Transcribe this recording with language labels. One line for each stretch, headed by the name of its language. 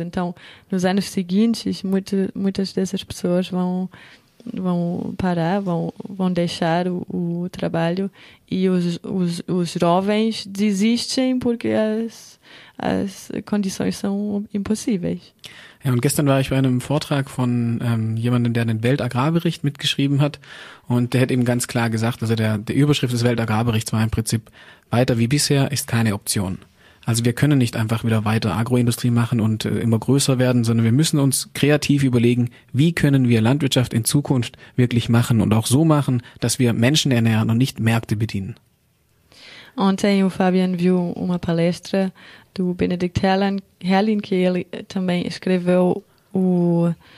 Portuguese: Então, nos anos seguintes, muitas dessas pessoas vão parar, vão deixar o trabalho e os jovens desistem porque as condições são impossíveis.
German: Ja, und gestern war ich bei einem Vortrag von jemandem, der den Weltagrarbericht mitgeschrieben hat, und der hat eben ganz klar gesagt, also der Überschrift des Weltagrarberichts war im Prinzip, weiter wie bisher ist keine Option. Also wir können nicht einfach wieder weiter Agroindustrie machen und immer größer werden, sondern wir müssen uns kreativ überlegen, wie können wir Landwirtschaft in Zukunft wirklich machen und auch so machen, dass wir Menschen ernähren und nicht Märkte bedienen.
Portuguese: Ontem o Fabian viu uma palestra do Benedict Herrlin, que ele também escreveu o...